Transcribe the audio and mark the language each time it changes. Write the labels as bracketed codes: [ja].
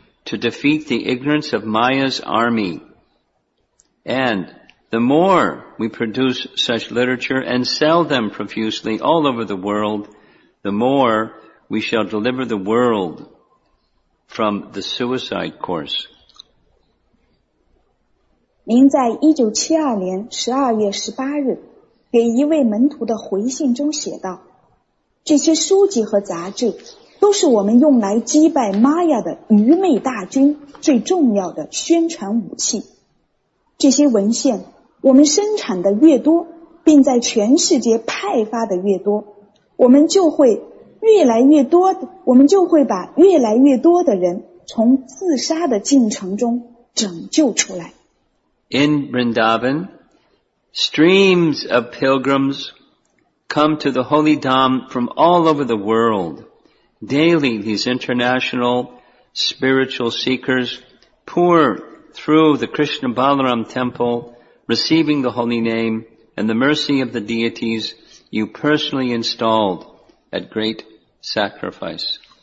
[en] to defeat the ignorance of Maya's army. And the more we produce such literature and sell them profusely all over the world, the more we shall deliver the world from the suicide course. [zh] 您在1972年12月18日 给一位门徒的回信中写道，这些书籍和杂志都是我们用来击败玛雅的愚昧大军最重要的宣传武器。这些文献我们生产的越多，并在全世界派发的越多，我们就会越来越多的人从自杀的进程中拯救出来。 [en] In Vrindavan, streams of pilgrims come to the Holy Dham from all over the world. Daily, these international spiritual seekers pour through the Krishna Balaram temple, receiving the holy name and the mercy of the deities you personally installed at great sacrifice.